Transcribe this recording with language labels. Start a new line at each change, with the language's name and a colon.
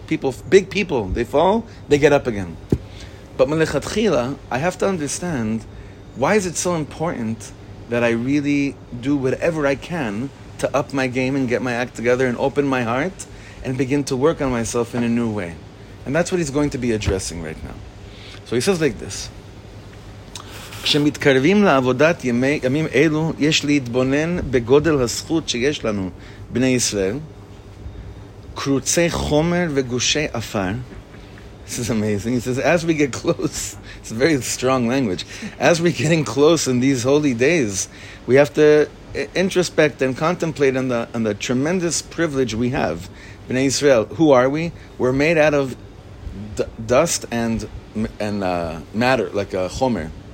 English: People, big people, they fall, they get up again. But Melechatchila, I have to understand, why is it so important that I really do whatever I can to up my game and get my act together and open my heart and begin to work on myself in a new way? And that's what he's going to be addressing right now. So he says like this.
Hebrew: כשמתקרבים לעבודת ימים אלו, יש להתבונן בגודל הזכות שיש לנו, בני ישראל, קרוצי חומר וגושי אפר.
English: This is amazing. He says, as we get close, it's a very strong language, as we're getting close in these holy days, we have to introspect and contemplate on the tremendous privilege we have. Bnei Israel, who are we? We're made out of dust and matter, like a chomer.